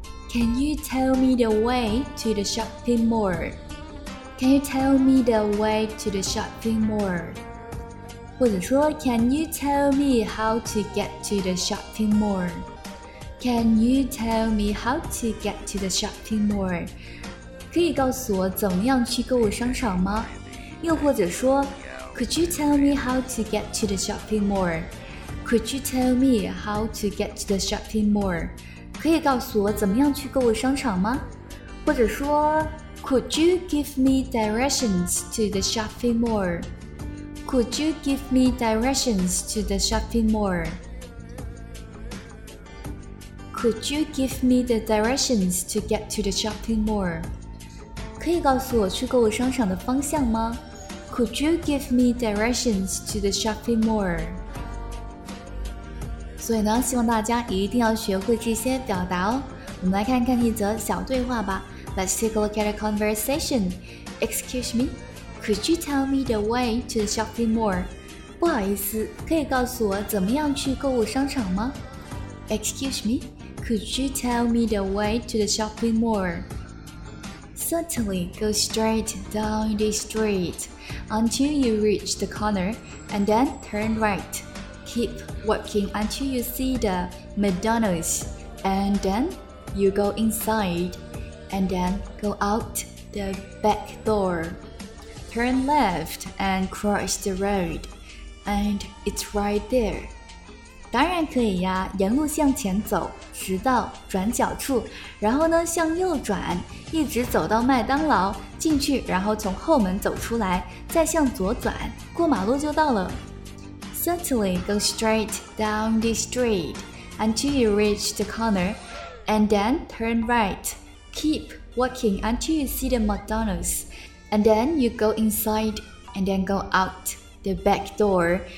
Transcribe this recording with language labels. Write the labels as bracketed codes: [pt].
[en] Can you tell me the way to the shopping mall? Can you tell me the way to the shopping mall? [zh] 或者说 [en] Can you tell me how to get to the shopping mall? Can you tell me how to get to the shopping mall? [zh] 可以告诉我怎么样去购物商场吗？又或者说 [en] Could you tell me how to get to the shopping mall? Could you tell me how to get to the shopping mall? [zh] 可以告诉我怎么样去购物商场吗？或者说 [en] Could you give me directions to the shopping mall? Could you give me directions to the shopping mall? Could you give me the directions to get to the shopping mall? [zh] 可以告诉我去购物商场的方向吗？ [en] Could you give me directions to the shopping mall? [zh] 所以呢，希望大家一定要学会这些表达哦。我们来看看一则小对话吧。 [en] Let's take a look at a conversation. Excuse me, could you tell me the way to the shopping mall? [zh] 不好意思，可以告诉我怎么样去购物商场吗？ [en] Excuse me, could you tell me the way to the shopping mall? Certainly, go straight down the street until you reach the corner and then turn right. Keep walking until you see the McDonald's and then you go inside and then go out the back door. Turn left and cross the road and it's right there. [zh] 当然可以呀，沿路向前走，直到转角处，然后呢向右转，一直走到麦当劳进去，然后从后门走出来，再向左转，过马路就到了。 [en] Certainly, go straight down the street until you reach the corner, and then turn right. Keep walking until you see the McDonald's, and then you go inside, and then go out the back door.